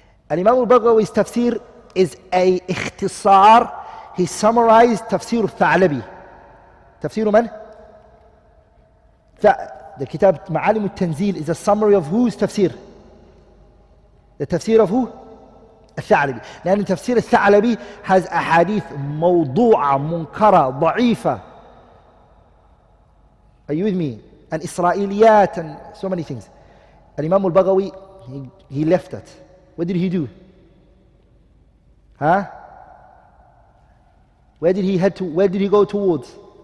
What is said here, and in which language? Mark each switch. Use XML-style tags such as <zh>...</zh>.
<en>Al-Imam al-Baghawi's tafsir is a ikhtisar. He summarized tafsir al-Tha'labi.</en> <ar>تفسير من؟</ar> <en>The كتاب معالم التنزيل is a summary of whose تفسير؟ The تفسير of who?</en> <ar>الثعلبي. لأن تفسير الثعلبي has أحاديث موضوعة منكرة ضعيفة.</ar> <en>Are you with me? And إسرائيليات and so many things. الإمام البغوي he left it. What did he do? Huh? Where did he head to? Where did he go towards?</en>